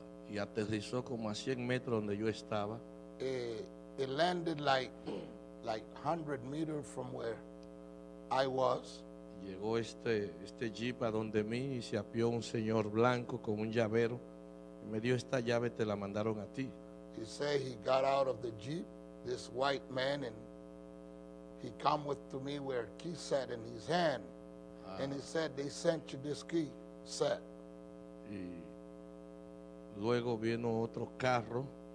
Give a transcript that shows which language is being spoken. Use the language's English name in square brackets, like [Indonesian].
[Spanish] Y aterrizó como a 100 metros donde yo estaba. [English] It landed like 100 meters from where I was. [Spanish] Llegó este jeep a donde mí y se apió un señor blanco con un llavero. Y me dio esta llave, te la mandaron a ti. [English] He said he got out of the jeep, this white man, and he come with to me where a key set in his hand. And he said, they sent you this key set. [Spanish] Y luego vino otro carro.